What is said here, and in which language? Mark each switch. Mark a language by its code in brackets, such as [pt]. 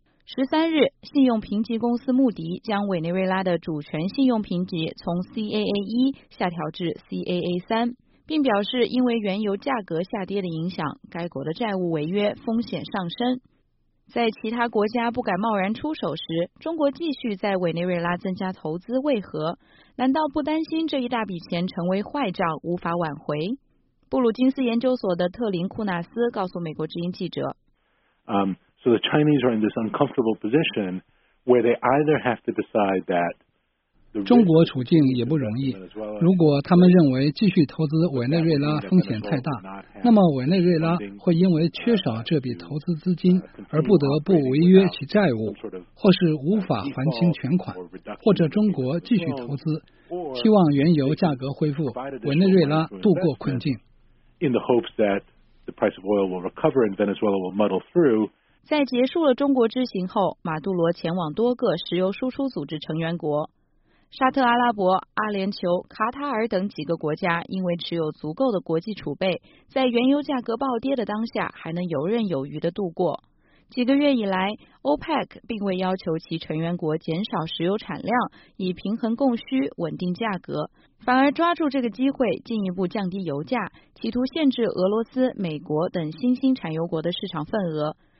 [zh] 13日，信用评级公司穆迪将委内瑞拉的主权信用评级从 CAA1 下调至 CAA3， 并表示因为原油价格下跌的影响，该国的债务违约风险上升。在其他国家不敢贸然出手时，中国继续在委内瑞拉增加投资，为何？难道不担心这一大笔钱成为坏账无法挽回？布鲁金斯研究所的特林库纳斯告诉美国之音记者。 [en] So the Chinese are in this uncomfortable position where they either have to decide that [zh] 中国处境也不容易。如果他们认为继续投资委内瑞拉风险太大，那么委内瑞拉会因为缺少这笔投资资金而不得不违约其债务，或是无法还清全款，或者中国继续投资，希望原油价格恢复，委内瑞拉度过困境。 [en] In the hopes that the price of oil will recover and Venezuela will muddle through。 [zh] 在结束了中国之行后，马杜罗前往多个石油输出组织成员国，沙特阿拉伯、阿联酋、卡塔尔等几个国家，因为持有足够的国际储备，在原油价格暴跌的当下还能游刃有余地度过。几个月以来， OPEC 并未要求其成员国减少石油产量以平衡供需、稳定价格，反而抓住这个机会进一步降低油价，企图限制俄罗斯、美国等新兴产油国的市场份额。